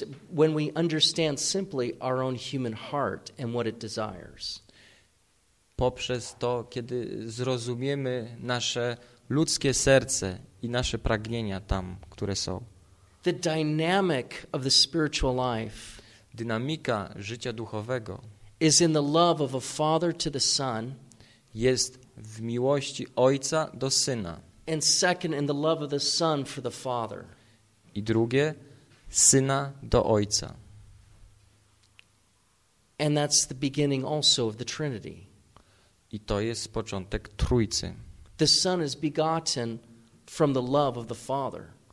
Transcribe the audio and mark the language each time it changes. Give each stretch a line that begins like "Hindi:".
English: When we understand simply our own human heart and what it desires.
Polish: Poprzez to, kiedy zrozumiemy nasze ludzkie serce i nasze pragnienia tam, które są.
English: The dynamic of the spiritual life,
Polish: dynamika życia duchowego,
English: is in the love of a father to the son,
Polish: jest w miłości ojca do syna,
English: and second in the love of the son for the father,
Polish: i drugie syna do ojca,
English: and that's the beginning also of the Trinity.
Polish: I to jest początek Trójcy.
English: The son is begotten from the love of the father.